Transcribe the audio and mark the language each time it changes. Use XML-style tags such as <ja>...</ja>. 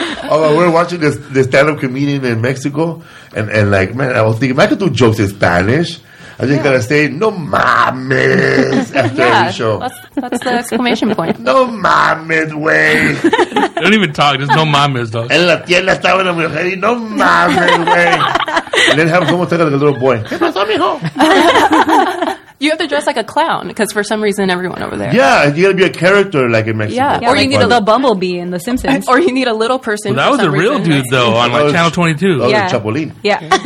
<en>Oh, we were watching this stand-up comedian in Mexico, and like, man, I was thinking, if I could do jokes in Spanish, I'm just going to say,</en> <es>no mames,</es> <en>after every show. That's the exclamation point.</en> <es>No mames, güey.</es> <en>Don't even talk, just</en> <es>no mames,</es> <en>dog.</en> <es>En la tienda estaba una mujer y no mames, güey.</es> <en>And then have someone take it like a little boy. Hey, pass me home. You have to dress like a clown because for some reason everyone over there. Yeah, you got to be a character like in Mexico. Yeah, or you need a bumblebee in The Simpsons. Or you need a little person. Well, that was a real dude, though, on like Channel 22. Oh, yeah. Chapolin. Yeah.</en>